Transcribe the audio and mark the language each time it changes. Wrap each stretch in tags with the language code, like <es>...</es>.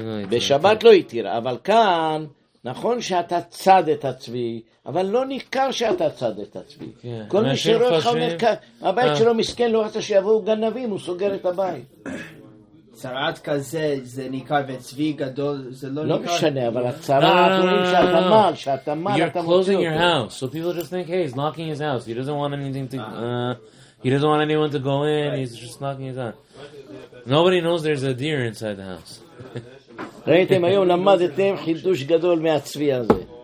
<he>בשבת לא התירה, אבל כאן נכון שאתה צד את הצבי, אבל לא ניכר שאתה צד את הצבי. כל מי שרואה אותך אומר, הבית שלו מסכן, לא רצה שיבואו גנבים, הוא סוגר את הבית. צרעת כזה זה ניכר, וצבי גדול זה לא ניכר. לא משנה, אבל הצרעת אומרים שאתה מל, שאתה מל, אתה מוציא אותו.</he> <en>You're closing your house, so people just think, hey, he's knocking his house. He doesn't want anything to... He doesn't want anyone to go in, he's just knocking his house. Nobody knows there's a deer inside the house.</en> <he>ראיתם היום למדתם חידוש גדול מהצבי הזה.</he>